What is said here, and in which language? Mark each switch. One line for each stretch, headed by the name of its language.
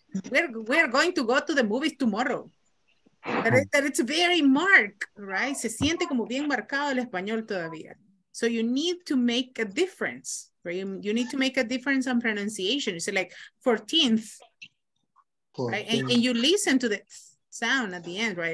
English: We're going to go to the movies tomorrow. That it's very marked, right?
Spanish: Se siente como bien marcado el español todavía.
English: So you need to make a difference, right? You need to make a difference on pronunciation. It's like 14th, right? And you listen to the sound at the end, right?